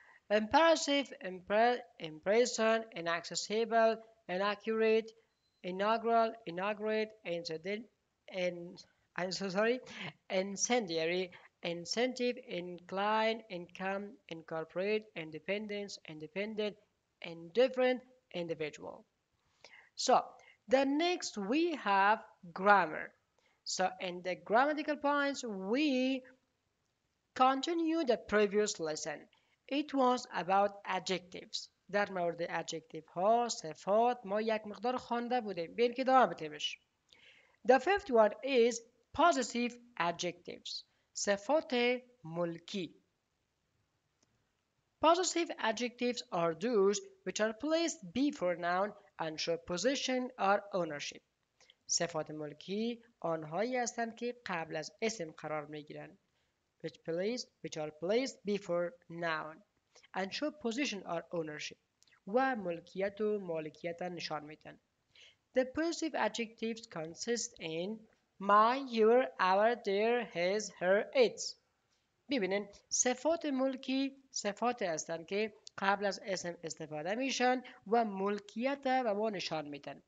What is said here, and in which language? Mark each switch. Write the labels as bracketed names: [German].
[English] Imperative, impression, inaccessible, inaccurate, inaugural, inaugurate, incendiary, incentive, incline, income, incorporate, independence, independent, indifferent, individual. So, the next we have grammar. So, in the grammatical points, we continue the previous lesson. It was about adjectives. [Persian] در مورد adjective ها، صفات، ما یک مقدار خوانده بودیم. بیاین که دوام بدیمش. [English] The fifth one is possessive adjectives. [Persian] صفات ملکی. [English] Possessive adjectives are those which are placed before noun and show possession or ownership. [Persian] صفات ملکی آنهایی هستند که قبل از اسم قرار میگیرند. [English] Which are placed before noun and show possession or ownership. [Persian] و ملکیت و مالکیت نشان میدن. [English] The possessive adjectives consist in my, your, our, their, his, her, its. [Persian] ببینین صفات ملکی صفات هستند که قبل از اسم استفاده میشن و ملکیت به ما نشان میدن.